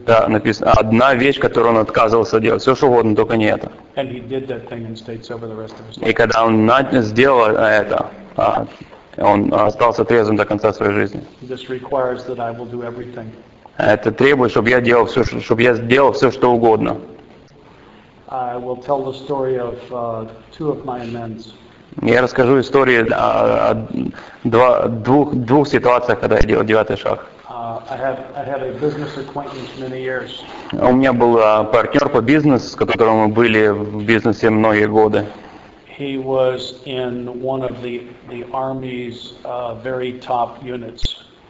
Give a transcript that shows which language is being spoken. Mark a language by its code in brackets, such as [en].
[ru] Да, написано, одна вещь, которую он отказывался делать. Все что угодно, только не это. [en] And he did that thing and stayed sober the rest of his life. [ru] И когда он сделал это, он остался трезвым до конца своей жизни. [en] This requires that I will do everything. [ru] Это требует, чтобы я сделал все, что угодно. [en] I will tell the story of two of my amends. [ru] Я расскажу историю о двух ситуациях, когда я делал девятый шаг. [en] I had a business acquaintance many years. [ru] У меня был партнер по бизнесу, с которым мы были в бизнесе многие годы. [en] He was in one of the Army's very top units.